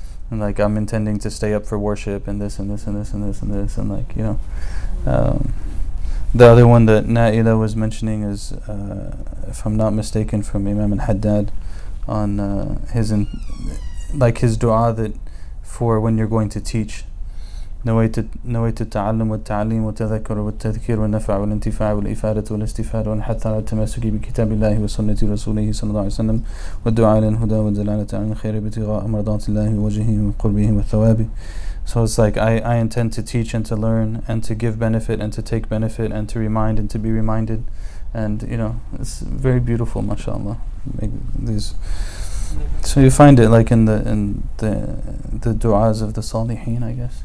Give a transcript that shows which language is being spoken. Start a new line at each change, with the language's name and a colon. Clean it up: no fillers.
English: And like, I'm intending to stay up for worship and this and this and this and this and this. And like, you know, the other one that Na'ila was mentioning is, if I'm not mistaken, from Imam al-Haddad on his dua that for when you're going to teach.
Arabic: نويت التعلم والتعليم والتذكر والتذكير والنفع والانتفاع والإفادة والاستفادة والحث على التمسك بكتاب الله وسنة رسوله صلى الله عليه وسلم والدعاء إلى الهدى والدلالة على الخير ابتغاء مرضات الله وجهه وقربه والثواب.
English: So it's like I intend to teach and to learn and to give benefit and to take benefit and to remind and to be reminded. And you know, it's very beautiful, mashallah. Make these. So you find it like in the du'as of the Salihin, I guess.